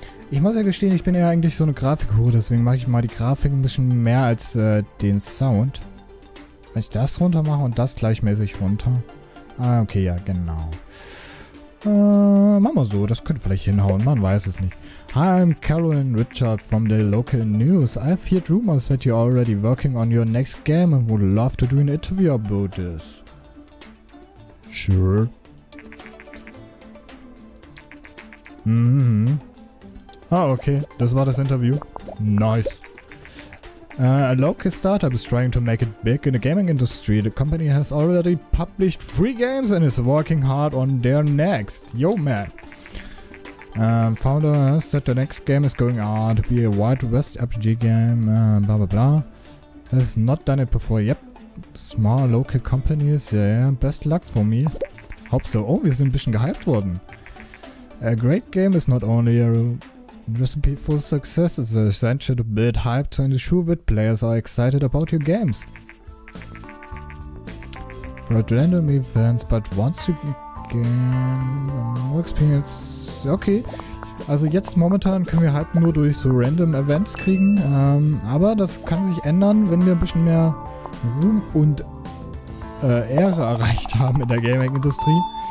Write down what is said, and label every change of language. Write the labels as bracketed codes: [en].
[de] Ich muss ja gestehen, ich bin ja eigentlich so eine Grafikhure, deswegen mache ich mal die Grafik ein bisschen mehr als den Sound. Wenn ich das runter mache und das gleichmäßig runter. Ah, okay, ja, genau. Machen wir so, das könnte vielleicht hinhauen, man weiß es nicht. [en] Hi, I'm Carolyn Richard from the local news. I've heard rumors that you're already working on your next game and would love to do an interview about this. Sure. [de] Mhm. Ah, okay, das war das Interview. Nice. [en] A local startup is trying to make it big in the gaming industry. The company has already published 3 games and is working hard on their next. Yo, man. Founder said the next game is going on to be a Wild West RPG game. Blah, blah, blah. Has not done it before. Yep. Small local companies. Yeah, yeah. Best luck for me. Hope so. [de] Oh, wir sind ein bisschen gehyped worden. [en] A great game is not only a... recipe for success is essential to build hype to ensure that players are excited about your games. For random events, but once you gain more experience... [de] Okay, also jetzt momentan können wir Hype nur durch so random Events kriegen, aber das kann sich ändern, wenn wir ein bisschen mehr Ruhm und Ehre erreicht haben in der Gaming-Industrie.